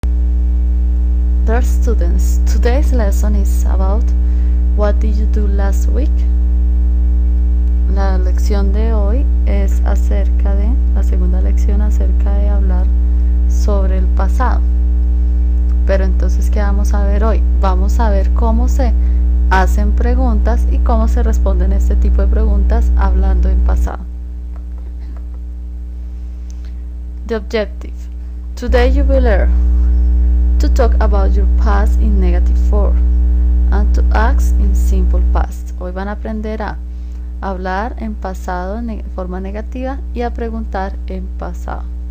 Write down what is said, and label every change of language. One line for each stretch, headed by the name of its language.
English: Dear students, today's lesson is about what did you do last week?
Spanish: La lección de hoy es acerca de, la segunda lección acerca de hablar sobre el pasado. Pero entonces, ¿qué vamos a ver hoy? Vamos a ver cómo se hacen preguntas y cómo se responden este tipo de preguntas hablando en pasado.
English: The objective. Today you will learn to talk about your past in negative form and to ask in simple past.
Spanish: Hoy van a aprender a hablar en pasado en forma negativa y a preguntar en pasado.